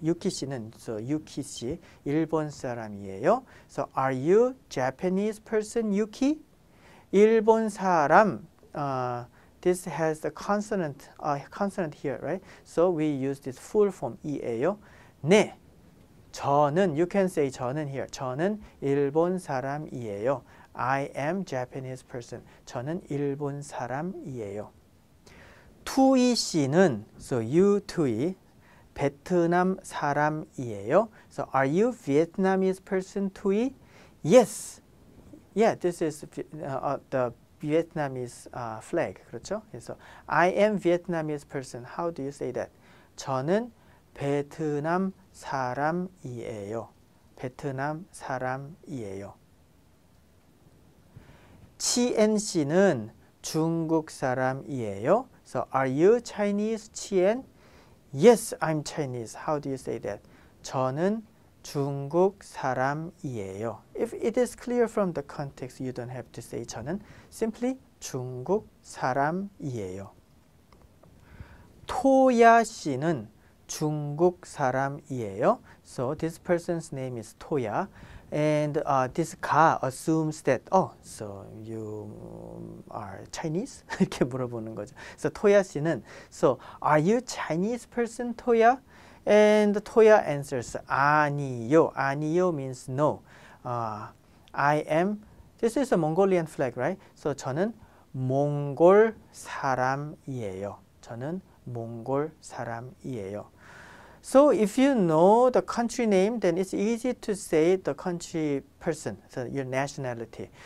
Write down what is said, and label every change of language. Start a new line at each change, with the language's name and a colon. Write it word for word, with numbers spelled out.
Korean: 유키 씨는, so 유키 씨, 일본 사람이에요.
English: So are you Japanese person, 유키?
Korean: 일본 사람,
English: uh, this has the consonant, uh, consonant here, right? So we use this full form, 이에요. 네, 저는, you can say 저는 here.
Korean: 저는 일본 사람이에요.
English: I am Japanese person.
Korean: 저는 일본 사람이에요. 투이 씨는, so you 투이, 베트남 사람이에요.
English: So are you Vietnamese person, 투이? Yes. Yeah, this is uh, the Vietnamese uh, flag.
Korean: 그렇죠?
English: So I am Vietnamese person. How do you say that?
Korean: 저는 베트남 사람이에요. 베트남 사람이에요. 치엔 씨는 중국 사람이에요.
English: So, are you Chinese, 치엔? Yes, I'm Chinese. How do you say that?
Korean: 저는 중국 사람이에요.
English: If it is clear from the context, you don't have to say 저는.
Korean: Simply 중국 사람이에요. 토야 씨는 중국 사람이에요.
English: So, this person's name is
Korean: 토야.
English: And uh, this 가 assumes that, oh, so you are Chinese?
Korean: 이렇게 물어보는 거죠. 그래서 토야 씨는,
English: so are you Chinese person,
Korean: 토야?
English: And 토야 answers,
Korean: 아니요. 아니요
English: means no. Uh, I am, this is a Mongolian flag, right?
Korean: So 저는 몽골 사람이에요. 저는 몽골 사람이에요.
English: So if you know the country name, then it's easy to say the country person, so your nationality.